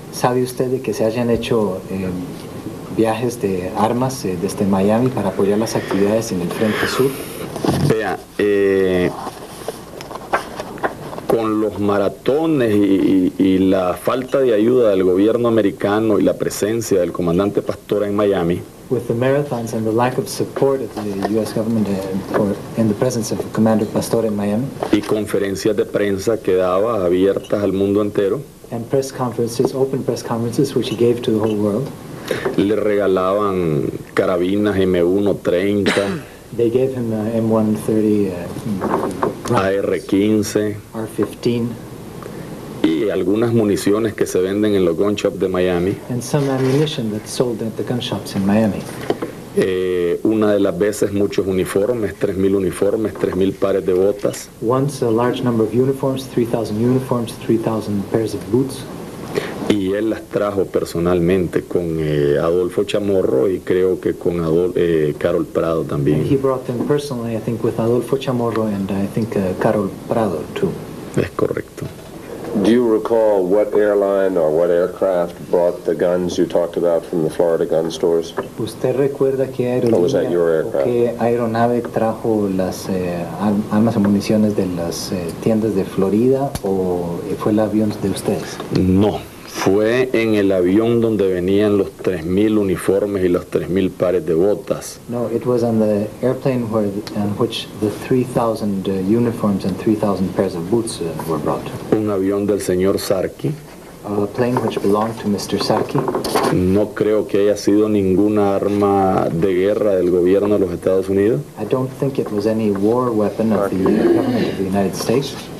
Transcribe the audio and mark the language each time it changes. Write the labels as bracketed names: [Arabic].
[Spanish] ¿Sabe usted de que se hayan hecho viajes de armas desde Miami para apoyar las actividades en el frente sur? Vea, con los maratones y la falta de ayuda del gobierno americano y la presencia del comandante Pastora en Miami, [English] with the marathons and the lack of support of the U.S. government in the presence of Commander Pastor in Miami. [Spanish] Y conferencias de prensa que daba abiertas al mundo entero. [English] And press conferences, open press conferences, which he gave to the whole world. [Spanish] Le regalaban carabinas M1-30. [English] They gave him M1-30. [Spanish] AR-15. [English] R-15. [Spanish] Y algunas municiones que se venden en los [English] gun shops [Spanish] de Miami. [English] And some ammunition that's sold at the gun shops in Miami. [Spanish] Una de las veces muchos uniformes, 3,000 uniformes, 3,000 pares de botas. [English] Once a large number of uniforms, 3,000 uniforms, 3,000 pairs of boots. [Spanish] Y él las trajo personalmente con Adolfo Chamorro y creo que con Carol Prado también. [English] And he brought them personally, I think, with Adolfo Chamorro and I think Carol Prado too. [Spanish] Es correcto. [English] Do you recall what airline or what aircraft brought the guns you talked about from the Florida gun stores? [Spanish] ¿Usted recuerda qué aerolínea [English] or was that your aircraft? [Spanish] Qué aeronave trajo las armas y municiones de las tiendas de Florida o fue el avión de ustedes? No, fue en el avión donde venían los 3,000 uniformes y los 3,000 pares de botas. [English] No, it was on the airplane on which the 3,000 uniforms and 3,000 pairs of boots were brought. [Spanish] Un avión del señor Sarki. [English] A plane which belonged to Mr. Sarki. [Spanish] No creo que haya sido ninguna arma de guerra del gobierno de los Estados Unidos. [English] I don't think it was any war weapon of the government of the United States.